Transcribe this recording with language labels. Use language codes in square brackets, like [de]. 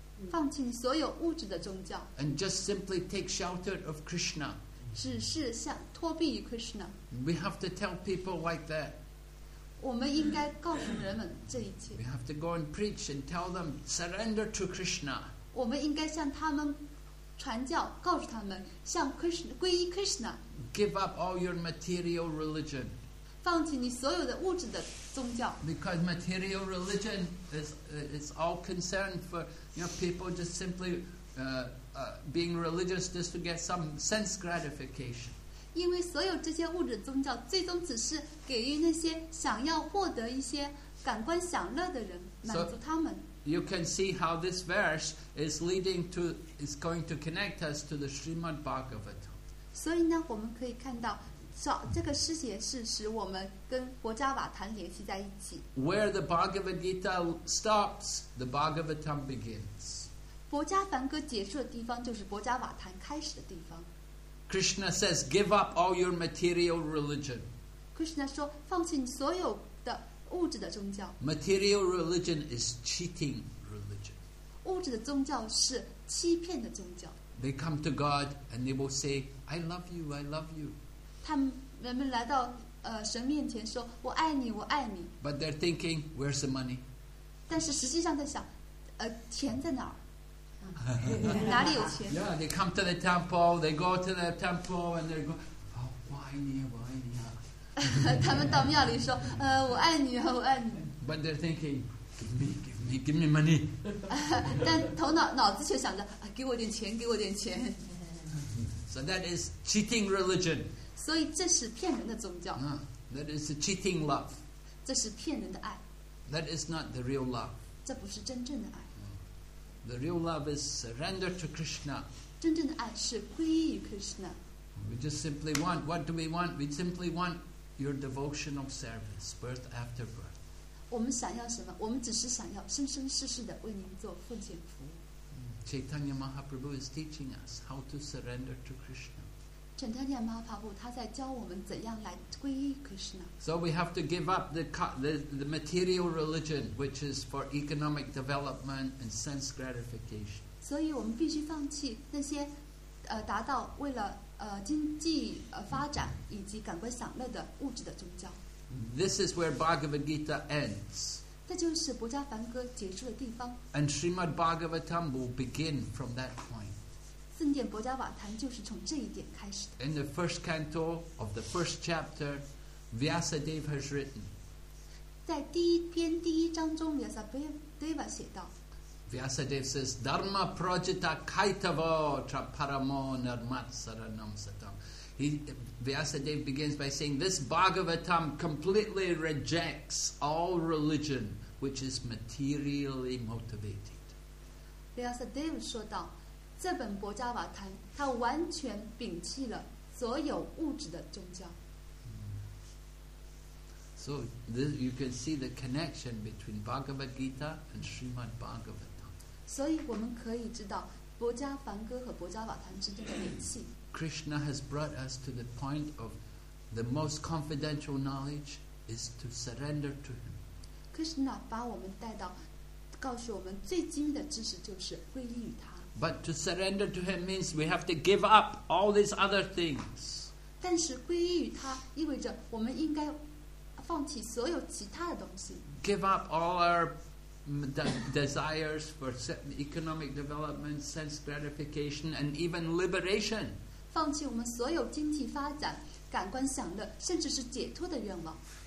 [zh] 放弃你所有物质的宗教。 [en] And just simply take shelter of Krishna. [zh] 只是向托庇于 Krishna。 [en] We have to tell people like that。 [zh] 我们应该告诉人们这一切。 [en] We have to go and preach and tell them surrender to Krishna。 [zh] 我们应该向他们传教，告诉他们向 Krishna 皈依 Krishna。 [en] Give up all your material religion。 [zh] 放弃你所有的物质的宗教。 [en] Because material religion is all concerned for, you know, people just simply being religious just to get some sense gratification. [zh] 因为所有这些物质宗教最终只是给予那些想要获得一些感官享乐的人，满足他们。 [en] So, you can see how this verse is leading to, is going to connect us to the Srimad Bhagavatam. [zh] 所以呢，我们可以看到，这个诗节是使我们跟国家瓦坛联系在一起。 [en] Where the Bhagavad Gita stops, the Bhagavatam begins. [zh] 薄伽梵歌结束的地方就是薄伽瓦坛开始的地方。 [en] Krishna says, "Give up all your material religion." [zh] Krishna 说，放弃你所有的物质的宗教。 [en] Material religion is cheating religion. [zh] 物质的宗教是欺骗的宗教。 [en] They come to God and they will say, "I love you, I love you." [zh] 他们人们来到神面前说，我爱你，我爱你。 [en] But they're thinking, "Where's the money?" [zh] 但是实际上在想，钱在哪儿？哪里有钱？ [en] Yeah, they come to the temple, they go to the temple, and they go, "Oh, [zh] 我爱你，我爱你啊！" 他们到庙里说，我爱你，我爱你。 [en] But they're thinking, give me money. [zh] 但头脑脑子却想着，给我点钱，给我点钱。 [en] So that is cheating religion. [zh] 所以这是骗人的宗教。 [en] That is a cheating love. [zh] 这是骗人的爱。 [en] That is not the real love. [zh] 这不是真正的爱。 [en] The real love is surrender to Krishna. [zh] 真正的爱是皈依于 Krishna. [en] We just simply want, what do we want? We simply want your devotional service, birth after birth. [zh] 我们想要什么？我们只是想要生生世世的为您做奉献服务。 [en] Chaitanya Mahaprabhu is teaching us how to surrender to Krishna. [zh] Chaitanya Mahaprabhu 他在教我们怎样来皈依 Krishna. [en] So we have to give up the material religion, which is for economic development and sense gratification. [zh] 所以我们必须放弃那些达到为了经济发展以及感官享乐的物质的宗教。 [en] This is where Bhagavad Gita ends. [zh] 这就是薄伽梵歌结束的地方。 [en] And Srimad Bhagavatam will begin from that point. [zh] 圣殿薄伽瓦坛就是从这一点开始的。 [en] In the first canto of the first chapter, Vyasadeva has written. [zh] 在第一篇第一章中 ，Vyasadeva 写道。 [sa] Vyasadeva says, "Dharma prajita kaitavo tra paramo narmat saranam satam." [en] Vyasadeva begins by saying, "This Bhagavatam completely rejects all religion which is materially motivated." [zh] Vyasadeva 说道。这本薄伽瓦坛它完全摒弃了所有物质的宗教。 [en] So this, you can see the connection between Bhagavad Gita and Srimad Bhagavatam. [zh] 所以我们可以知道薄伽梵歌和薄伽瓦坛之间的联系。 [en] Krishna has brought us to the point of the most confidential knowledge is to surrender to him. [zh] Krishna 把我们带到告诉我们最机密的知识就是皈依于他。 [en] But to surrender to him means we have to give up all these other things. [zh] 但是皈依于他意味着我们应该放弃所有其他的东西。 [en] Give up all our desires for economic development, sense gratification, and even liberation. [zh] 放弃我们所有经济发展、感官享乐，甚至是解脱的愿望。